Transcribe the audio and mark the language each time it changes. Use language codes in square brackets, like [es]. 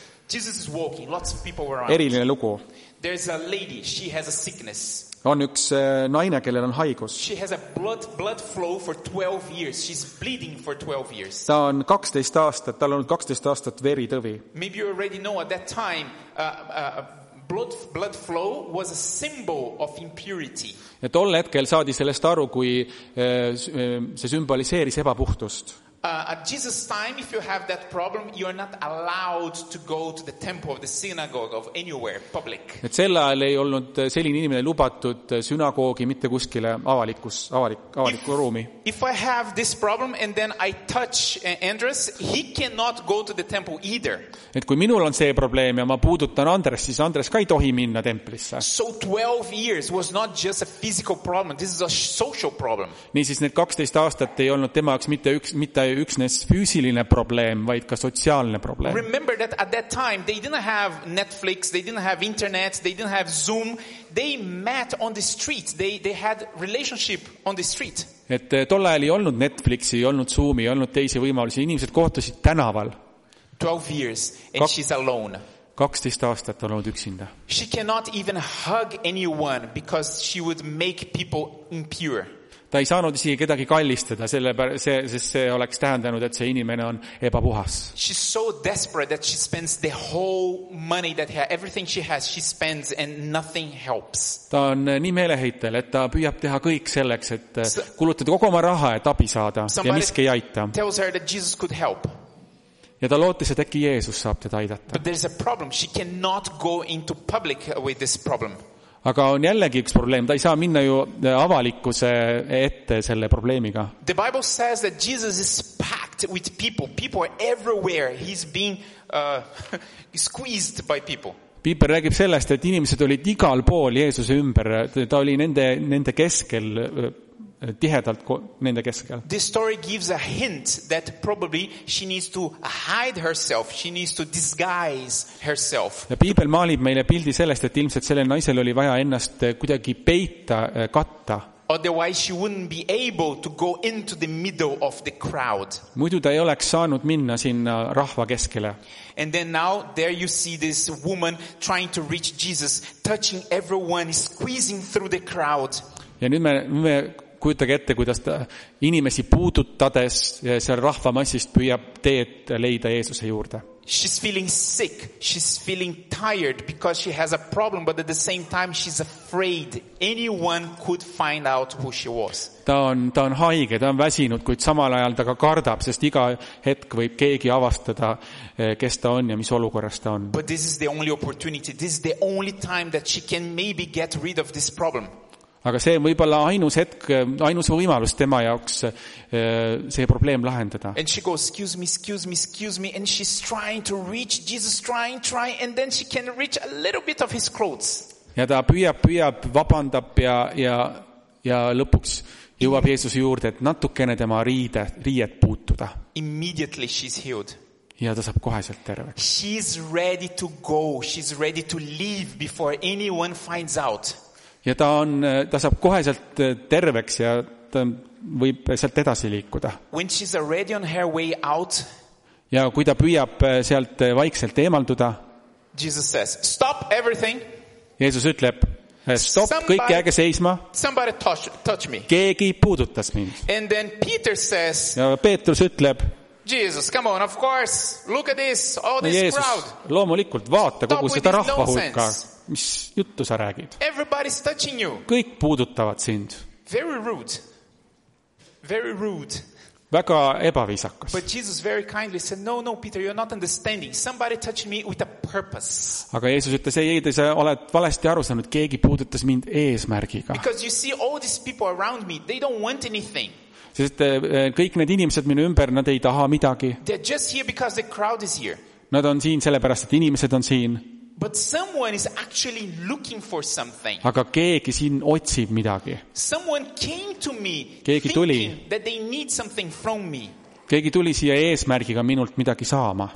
[en] Jesus is walking, lots of people were around. [et] Eriline lugu. [en] There's a lady, she has a sickness. [et] On üks naine, kellel on haigus. [en] She has a blood flow for 12 years. She's bleeding for 12 years. [et] Ta on 12 aastat, tal on olnud 12 aastat veritõvi. [en] Maybe you already know at that time blood flow was a symbol of impurity. [et] Ja tol hetkel saadi sellest aru, kui see sümboliseeris ebapuhtust. [en] At Jesus time if you have that problem you are not allowed to go to the temple of the synagogue of anywhere public. [et] Et sel ajal ei olnud selline inimene lubatud sünagoogi mitte kuskile avaliku ruumi. [en] If I have this problem and then I touch Andres, he cannot go to the temple either. [et] Et kui minul on see probleem ja ma puudutan Andres, siis Andres ka ei tohi minna templisse. [en] So 12 years was not just a physical problem, this is a social problem. [et] Nii siis need 12 aastat ei olnud tema jaoks üksnes füüsiline probleem, vaid ka sotsiaalne probleem. [en] Remember that at that time they didn't have Netflix, they didn't have internet, they didn't have Zoom. They met on the street. They had relationship on the street. [et] Et tol ajal ei olnud Netflixi, ei olnud Zoomi, ei olnud teisi võimalusi. Inimesed kohtusid tänaval. [en] 12 years and she's alone. [et] 12 aastat olnud üksinda. [en] She cannot even hug anyone because she would make people impure. [et] Ta ei saanud siia kedagi kallistada, sest see oleks tähendanud, et see inimene on ebapuhas. [en] She's so desperate that she spends the whole money that everything she has, she spends and nothing helps. [et] Ta on nii meeleheitel, et ta püüab teha kõik selleks, et kulutada kogu oma raha, et abi saada ja miski ei aita. [en] Somebody tells her that Jesus could help. [et] Ja ta lootis, et äkki Jeesus saab teda aidata. [en] But there's a problem. She cannot go into public with this problem. [et] Aga on jällegi üks probleem, ta ei saa minna ju avalikkuse ette selle probleemiga. [en] The Bible says that Jesus is packed with people. People are everywhere. He's being squeezed by people. [et] Piiper räägib sellest, et inimesed olid igal pool Jeesuse ümber. Ta oli nende keskel, tihedalt nende keskel. [en] This story gives a hint that probably she needs to hide herself, she needs to disguise herself. [et] Ja Piibel maalib meile pildi sellest, et ilmselt selle naisel oli vaja ennast kuidagi peita, katta. [en] Otherwise she wouldn't be able to go into the middle of the crowd. [et] Muidu ta ei oleks saanud minna sinna rahva keskele. [en] And then now there you see this woman trying to reach Jesus, touching everyone, squeezing through the crowd. [et] Ja nüüd me kujutage ette, kuidas ta inimesi puudutades seal rahvamassist püüab teed leida Jeesuse juurde. [en] She's feeling sick, she's feeling tired because she has a problem, but at the same time she's afraid anyone could find out who she was. [et] Ta on haige, ta on väsinud, kuid samal ajal ta ka kardab, sest iga hetk võib keegi avastada, kes ta on ja mis olukorras ta on. [en] But this is the only opportunity, this is the only time that she can maybe get rid of this problem. [et] Aga see on võibolla ainus hetk, ainus võimalus tema jaoks see probleem lahendada. [en] And she goes, excuse me, and she's trying to reach Jesus, trying, and then she can reach a little bit of his clothes. [et] Ja ta püüab, vabandab ja lõpuks jõuab Jeesus juurde, et natukene tema riied puutuda. [en] Immediately she's healed. [et] Ja ta saab koheselt terve. [en] She's ready to go, she's ready to leave before anyone finds out. [et] Ja ta saab koheselt terveks ja ta võib sealt edasi liikuda. [en] When she's already on her way out, [et] ja kui ta püüab sealt vaikselt eemalduda, [en] Jesus says, stop everything. [et] Jeesus ütleb, [en] stop, somebody, [et] kõik jääge seisma. [en] Somebody touch me. [et] Keegi puudutas mind. [en] And then Peter says, [et] ja Peetrus ütleb, [en] Jesus, come on, of course, look at this, all this [et] Jeesus, [en] crowd. [et] Loomulikult vaata kogu seda rahva hulka. Mis juttu sa räägid? [en] Everybody's touching you. [et] Kõik puudutavad sind. [en] Very rude. Very rude. [et] Väga ebaviisakas. [en] But Jesus very kindly said, no, Peter, you're not understanding. Somebody touching me with a purpose. [et] Aga Jeesus ütles, ei, sa oled valesti aru saanud, keegi puudutas mind eesmärgiga. [en] Because you see all these people around me, they don't want anything. [et] Sest kõik need inimesed minu ümber, nad ei taha midagi. [en] They're just here because the crowd is here. [et] Nad on siin sellepärast, et inimesed on siin. [en] But someone is actually looking for something. [et] Aga keegi siin otsib midagi. [en] Someone came to me. [et] Keegi tuli. [en] Thinking that they need something from me. [et] Keegi tuli siia eesmärgiga minult midagi saama.